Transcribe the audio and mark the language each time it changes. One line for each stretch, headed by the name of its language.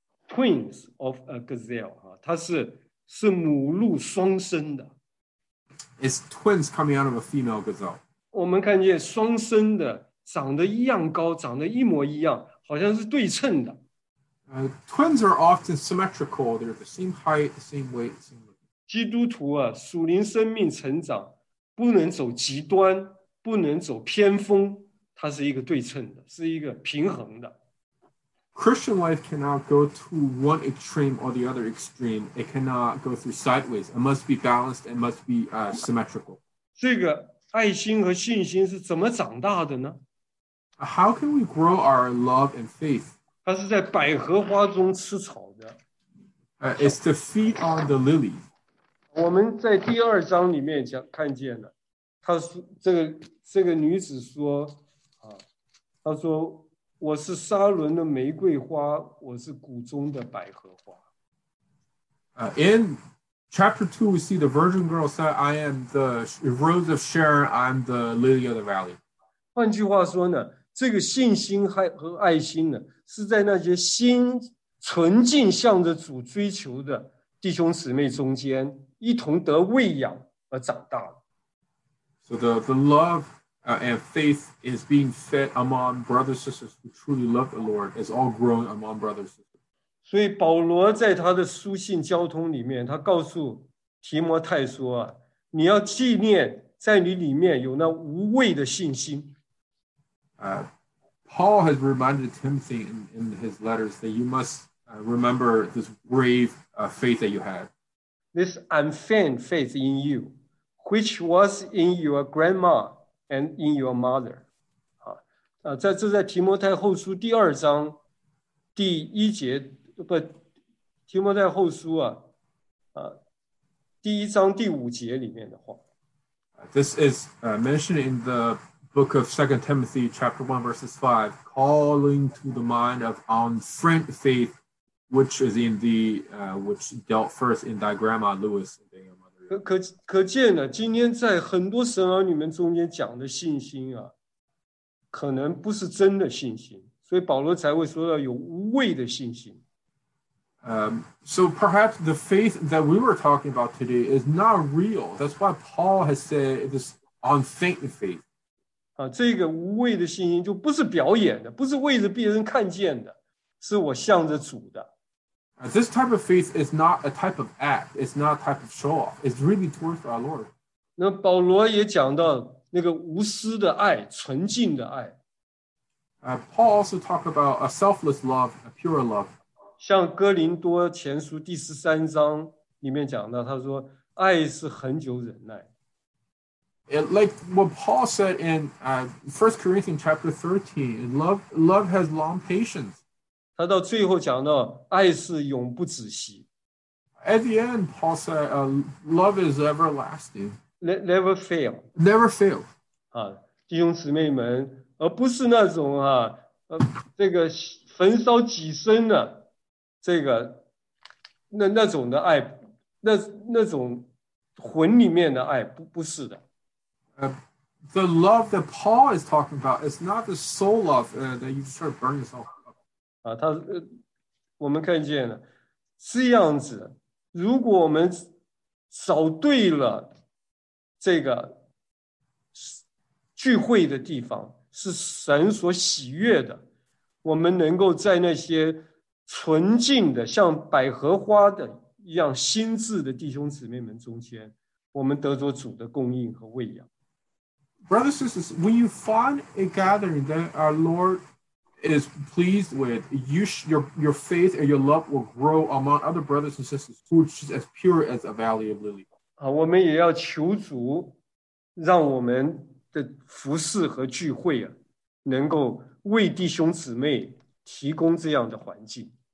English: Twins of a gazelle,
Chinese: 它是母鹿双生的。
English: It's twins coming out of a female gazelle.
Chinese: 我们看见双生的长得一样高，长得一模一样，好像是对称的。
English: Twins are often symmetrical. They're the same height, the same weight, same width.
Chinese: 基督徒啊，属灵生命成长不能走极端，不能走偏锋，它是一个对称的，是一个平衡的。
English: Christian life cannot go to one extreme or the other extreme. It cannot go through sideways. It must be balanced. It must be symmetrical.
Chinese: 这个爱心和信心是怎么长大的呢？
English: How can we grow our love and faith?
Chinese: 它是在百合花中吃草的。
English: It's to feed on the lily.
Chinese: 我们在第二章里面讲看见了，他说这个女子说啊，他说我是沙伦的玫瑰花，我是谷中的百合花。
English: In chapter 2, we see the virgin girl said, I am the rose of Sharon, I'm the lily of the valley.
Chinese: 换句话说呢，这个信心和爱心呢，是在那些心纯净向着主追求的弟兄姊妹中间一同得喂养而长大的。
English: So the love and faith is being fed among brothers and sisters who truly love the Lord is all grown among brothers and sisters.
Chinese: 所以保罗在他的书信交通里面，他告诉提摩太说：“你要纪念在你里面有那无畏的信心。”
English: Paul has reminded Timothy in his letters that you must remember this brave faith that you had. This unfeigned faith in you, which was in your grandma and in your mother.
Chinese: 在提摩太后书第二章第一节。不，提摩太后书啊，第一章第五节里面的话。
English: This is mentioned in the book of 2 Timothy, chapter 1, verses 5, calling to the mind of unfriend faith, which is in the, which dealt first in thy grandma, Louis, and then your mother.
Chinese: 可见呢，今天在很多神儿女们中间讲的信心啊，可能不是真的信心，所以保罗才会说到有无畏的信心。
English: So perhaps the faith that we were talking about today is not real. That's why Paul has said it is unfeigned faith.
Chinese: 这个无畏的信心就不是表演的，不是为了别人看见的，是我向着主的。
English: This type of faith is not a type of act. It's not a type of show off. It's really towards our Lord.
Chinese: 那保罗也讲到那个无私的爱，纯净的爱。
English: Paul also talked about a selfless love, a pure love.
Chinese: 像哥林多前书第十三章里面讲到，他说爱是恒久忍耐。
English: Like what Paul said in First Corinthians chapter 13, love has long patience.
Chinese: 他到最后讲到爱是永不止息。
English: At the end, Paul said, love is everlasting. Never fail. Never fail.
Chinese: 弟兄姊妹们，而不是那种这个焚烧己身的。这个 那种的爱 那种魂里面的爱 不是的。
English: The love that Paul is talking about is not the soul love that you sort of burn yourself up.
Chinese: 我们看见了这样子，如果我们找对了这个聚会的地方是神所喜悦的，我们能够在那些纯净的像百合花的一样心智的弟兄姊妹们中间，我们得着主的供应和喂养。
English: Brothers and sisters, when you find a gathering that our Lord is pleased with, your faith and your love will grow among other brothers and sisters who is as pure as a valley of lily.
Chinese: 我们也要求主让我们的服事和聚会啊，能够为弟兄姊妹提供这样的环境。